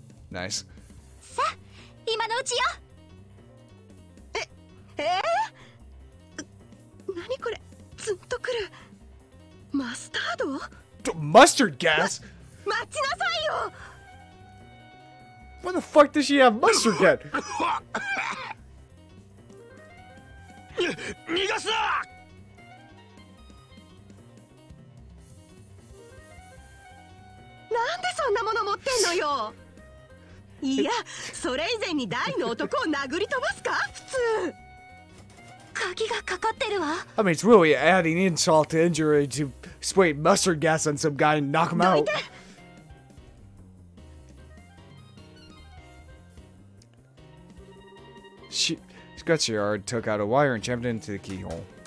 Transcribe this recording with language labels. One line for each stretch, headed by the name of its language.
English: Nice.
Japanese: さ、今のうちよ。何これ、ツンとくるマスタード？
English: Mustard gas?
Japanese: 待ちなさいよ。
English: Where the fuck does she have mustard yet?
Japanese: 逃がすな。なんでそんなもの持ってんのよ。いや、それ以前に大の男を殴り飛ばすか？普通。
English: I mean, it's really adding insult to injury to spray mustard gas on some guy and knock him out. She scratched her yard, took out a wire, and jammed it into the keyhole.